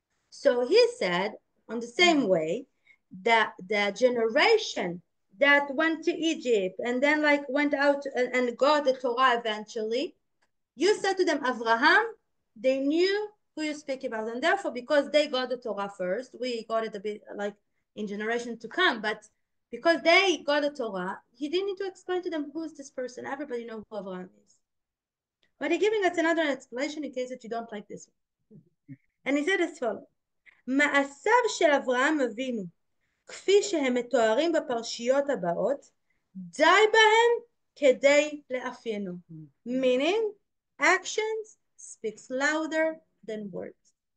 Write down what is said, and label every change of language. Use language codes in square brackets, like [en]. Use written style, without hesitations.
[en] So he said, on the same way, that the generation that went to Egypt and then like went out and got the Torah eventually, you said to them, Avraham, they knew who you speak about. And therefore, because they got the Torah first, we got it a bit like in generation to come, but because they got the Torah, he didn't need to explain to them who is this person. Everybody knows who Avraham is. But he's giving us another explanation in case that you don't like this one. And he said as follows, [he] מעשיו של אברהם אבינו, כפי שהם מתוארים בפרשיות הבאות, די בהם כדי לאפיינו. [en] Meaning, actions speaks louder than words.